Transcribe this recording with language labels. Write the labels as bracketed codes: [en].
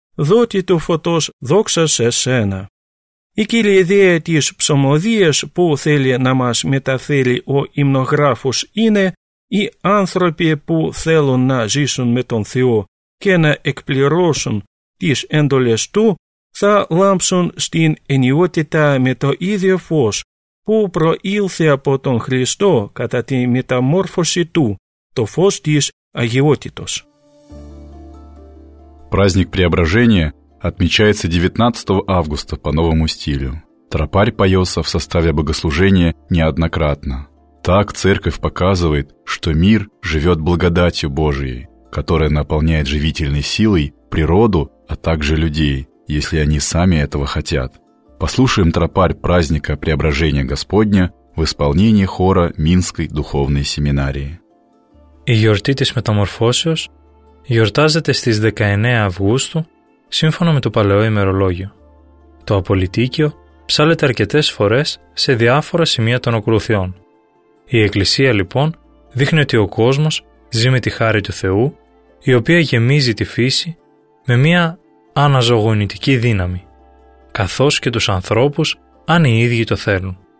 [el] δότι του φωτός δόξασε σένα. Η κυριαρχία της ψωμοδίας που θέλει να μας μεταφέρει ο υμνογράφος είναι οι άνθρωποι που θέλουν να ζήσουν με τον Θεό και να εκπληρώσουν τις έντολες Του θα λάμψουν στην ενιότητα με το ίδιο φως που προήλθε από τον Χριστό κατά τη μεταμόρφωση Του, το φως της αγιότητος. [ru] Праздник преображения отмечается 19 августа по новому стилю. Тропарь поется в составе богослужения неоднократно. Так церковь показывает, что мир живет благодатью Божией, которая наполняет живительной силой природу, а также людей, если они сами этого хотят. Послушаем тропарь праздника преображения Господня в исполнении хора Минской духовной семинарии. [el] И γιορτή της μεταμορφώσεως γιορτάζεται στις 19 Αυγούστου σύμφωνα με το παλαιό ημερολόγιο. Το απολυτίκιο ψάλλεται αρκετές φορές σε διάφορα σημεία των ακολουθιών. Η Εκκλησία λοιπόν δείχνει ότι ο κόσμος ζει με τη χάρη του Θεού, η οποία γεμίζει τη φύση με μια αναζωογονητική δύναμη, καθώς και τους ανθρώπους αν οι ίδιοι το θέλουν.